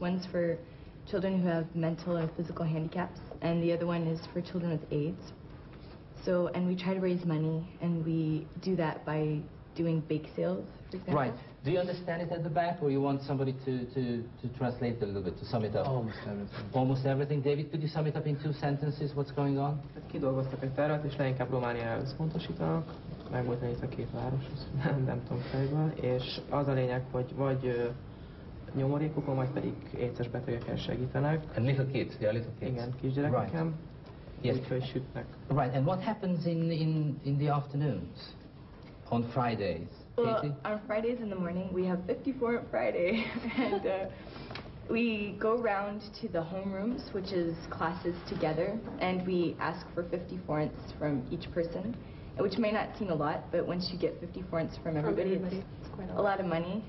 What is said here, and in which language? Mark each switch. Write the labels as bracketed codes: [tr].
[en] One's for children who have mental or physical handicaps, and the other one is for children with AIDS. So, and we try to raise money, and we do that by doing bake sales, for example. Right. Do you understand it at the back, or you want somebody to translate a little bit, to sum it up? Almost everything. Almost everything. David, could you sum it up in two sentences, what's going on? [hu] Kidolgoztak egy tervet, és leginkább Romániára összpontosítanak. Meg volt itt a két városhoz, nem tudom fejből. És az a lényeg, hogy vagy nyomorékokon, vagy pedig éjszes betegekkel segítenek. [en] And little kids, yeah, little kids. [hu] Igen, kisgyerekekkel. [en] Yes. [hu] Úgyhogy sütnek. [en] Right, and what happens in the afternoons, on Fridays? Well, on Fridays in the morning, we have 54 Friday, and we go round to the homerooms, which is classes together, and we ask for 54ths from each person, which may not seem a lot, but once you get 54ths from everybody, it's quite a lot of money.